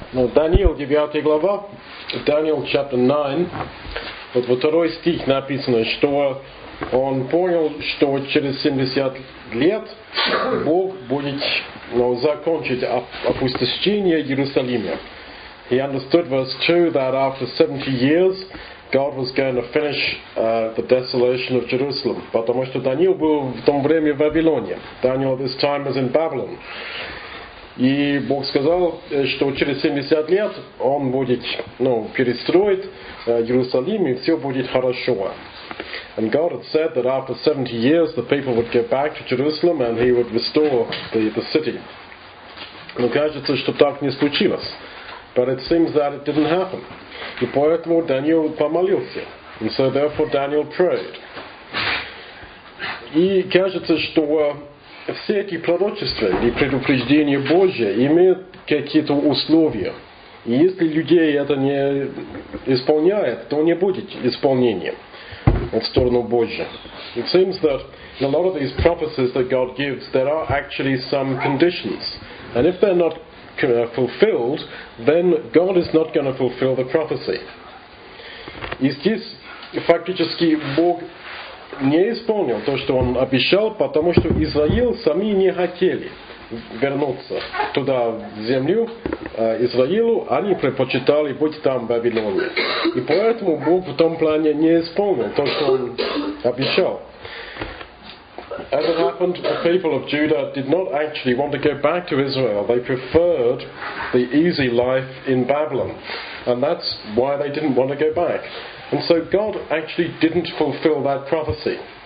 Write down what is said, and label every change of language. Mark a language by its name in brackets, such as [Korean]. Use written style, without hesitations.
[Russian] Но Даниил 9 глава, Даниил [English] chapter 9, [Russian] вот во второй стих написано, что он понял, что через 70 лет Бог будет, ну, закончить опустошение Иерусалима. [English] He understood verse 2 that after 70 years God was going to finish the desolation of Jerusalem. [Russian] Потому что Даниил был в то время в Вавилоне. [English] Daniel this time was in Babylon. [Russian] И Бог сказал, что через 70 лет он будет, ну, перестроит Иерусалим, и все будет хорошо. [English] And God had said that after 70 years the people would get back to Jerusalem and he would restore the city. [Russian] Но кажется, что так не случилось. [English] But it seems that it didn't happen. [Russian] И поэтому Даниил помолился. [English] And so therefore Daniel prayed. [Russian] И кажется, что все эти пророчества и предупреждения Божьи имеют какие-то условия. И если людей это не исполняет, то не будет исполнения в сторону Божью. [English] It seems that in a lot of these prophecies that God gives, there are actually some conditions. And if they're not fulfilled, then God is not going to fulfill the prophecy. [Russian] И здесь фактически Бог не исполнил то, что он обещал, потому что Израиль сами не хотели вернуться туда, в землю Израилю. Они предпочитали быть там, в Вавилоне. И поэтому Бог в том плане не исполнил то, что он обещал. [English] As it happened, the people of Judah did not actually want to go back to Israel. They preferred the easy life in Babylon. And that's why they didn't want to go back. And so God actually didn't fulfill that prophecy.